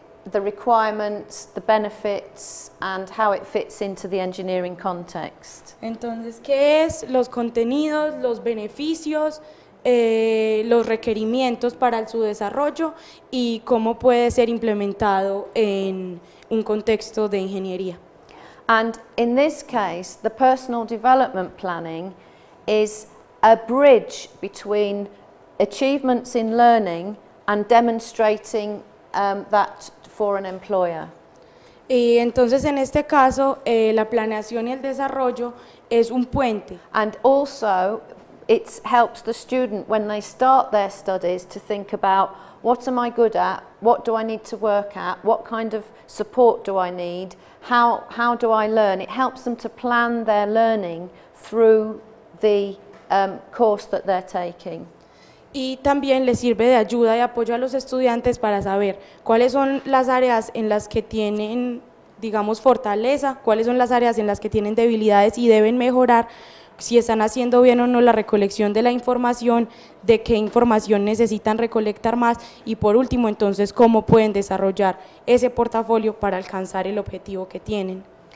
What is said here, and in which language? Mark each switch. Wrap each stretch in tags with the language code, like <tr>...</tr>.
<en>The requirements, the benefits, and how it fits into the engineering context.</en> <es>Entonces, ¿qué es? Los contenidos, los beneficios, los requerimientos para su desarrollo y cómo puede ser implementado en un contexto de ingeniería.</es> <en>And in this case, the personal development planning is a bridge between achievements in learning and demonstrating that for an employer.</en> <es>Y entonces en este caso la planeación y el desarrollo es un puente.</es> <en>And also it helps the student when they start their studies to think about what am I good at, what do I need to work at, what kind of support do I need, how do I learn. It helps them to plan their learning through the course that they're taking.</en> <es>Y también les sirve de ayuda y apoyo a los estudiantes para saber cuáles son las áreas en las que tienen, digamos, fortaleza, cuáles son las áreas en las que tienen debilidades y deben mejorar, si están haciendo bien o no la recolección de la información, de qué información necesitan recolectar más y por último, entonces, cómo pueden desarrollar ese portafolio para alcanzar el objetivo que tienen.</es>